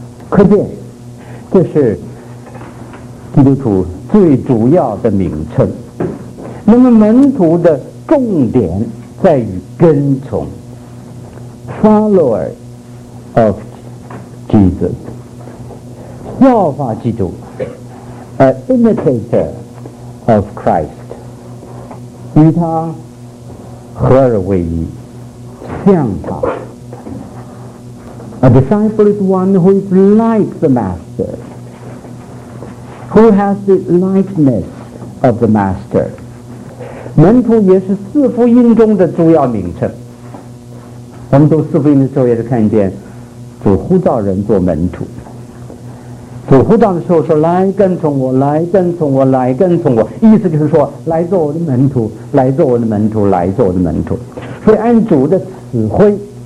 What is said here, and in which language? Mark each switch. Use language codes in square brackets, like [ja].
[zh] 可见，这是 基督徒最主要的名称。那么门徒的重点在于跟从， [en] follower of Jesus， [zh] 效法基督， [en] imitator of Christ， [zh] 与他合而为一，像他。 [en] A disciple is one who is like the master, who has the likeness of the master. [zh] 门徒也是四福音中的重要名称。我们读四福音的时候也是看见主呼召人做门徒，主呼召的时候说来跟从我，来跟从我，来跟从我，意思就是说来做我的门徒，来做我的门徒，来做我的门徒。所以按主的指挥，